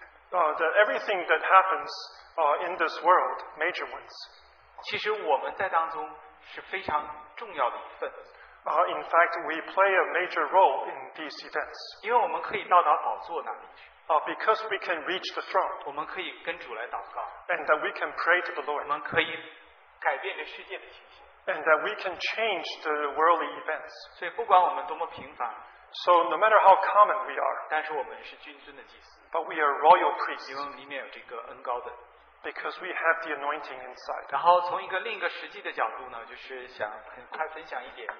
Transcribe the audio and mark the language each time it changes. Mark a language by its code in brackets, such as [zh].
[en] That everything that happens in this world, major ones. [zh] 其实我们在当中是非常重要的一份。 [en] In fact, we play a major role in these events. [zh] 因为我们可以到达宝座那里。 [en] Because we can reach the throne. [zh] 我们可以跟主来祷告。 [en] And that we can pray to the Lord. [zh] 我们可以改变这世界的情形。 [en] And that we can change the worldly events. [zh] 所以不管我们多么平凡。 [en] So no matter how common we are. [zh] 但是我们是君尊的祭司。 [en] But we are royal priests. [zh] 因为里面有这个恩膏的。 [en] Because we have the anointing inside. [zh] 然后从一个另一个实际的角度呢，就是想很快分享一点。